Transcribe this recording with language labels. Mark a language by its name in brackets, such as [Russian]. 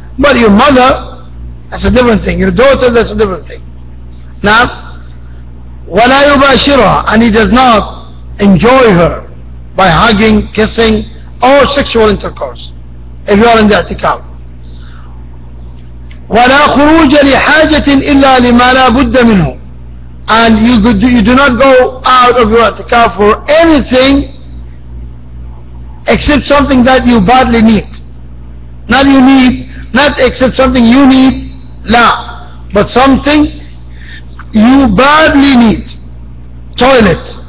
[English] But your mother, that's a different thing. Your daughter, that's a different thing. Now, [Arabic] ولا يباشرها [English] and he does not enjoy her by hugging, kissing or sexual intercourse if you are in the i'tikaf. [Arabic] ولا خروج لحاجة إلا لما لا بد منه. [English] And you do not go out of your i'tikaf for anything except something that you badly need. Not you need, not except something you need, لا. But something you badly need. Toilet.